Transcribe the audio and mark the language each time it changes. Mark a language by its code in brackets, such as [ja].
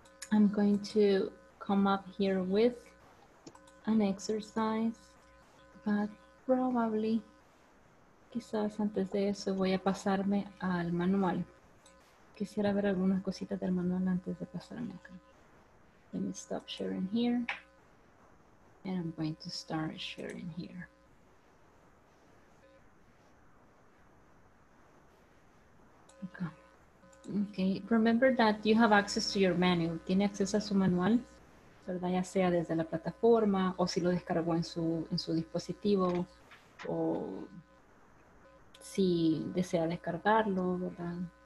[en] I'm going to come up here with an exercise, but probably, [es] quizás antes de eso voy a pasarme al manual. Quisiera ver algunas cositas del manual antes de pasarme acá. [en] Let me stop sharing here, and I'm going to start sharing here. Okay. Okay, remember that you have access to your manual. [es] Tiene acceso a su manual, ¿verdad? Ya sea desde la plataforma o si lo descargó en su dispositivo o si desea descargarlo, ¿verdad?